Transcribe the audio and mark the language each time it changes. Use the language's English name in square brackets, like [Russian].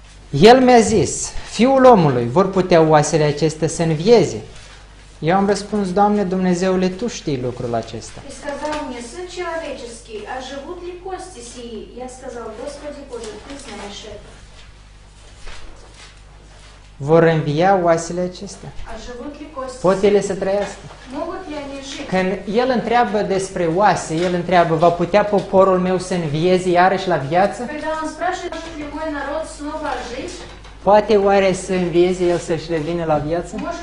[Romanian] El mi-a zis, fiul omului, vor putea oasele acestea să învieze? Eu am răspuns, Doamne Dumnezeule, Tu știi lucrul acesta. [Russian] И сказал мне, сын человеческий, а живут ли кости сии? Я сказал, Господи Боже, Ты знаешь это. [Romanian] Vor învia oasele acestea? [Russian] А живут ли кости? [Romanian] Pot ele să trăiască? [Russian] Могут ли они жить? [Romanian] Când El întreabă despre oase, El întreabă, va putea poporul meu să învieze iarăși la viață? [Russian] Когда он спрашивает, может ли мой народ снова жить? [Romanian] Poate oare să învieze El să-și revină la viață?